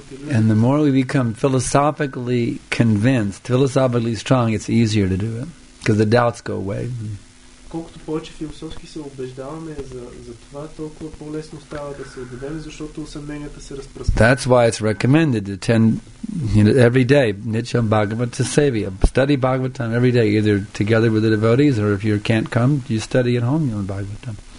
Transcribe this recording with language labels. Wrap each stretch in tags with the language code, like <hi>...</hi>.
<en>And the more we become philosophically convinced, philosophically strong, it's easier to do it. Because the doubts go away.</en> <bg>Колкото повече философски се убеждаваме за това, толкова по-лесно става да се убедим, защото съмненията се разпръскват.</bg> <en>That's why it's recommended to attend, you know, every day, Nityam Bhagavata Sevya. Study Bhagavatam every day, either together with the devotees, or if you can't come, you study at home, you know, Bhagavatam.</en>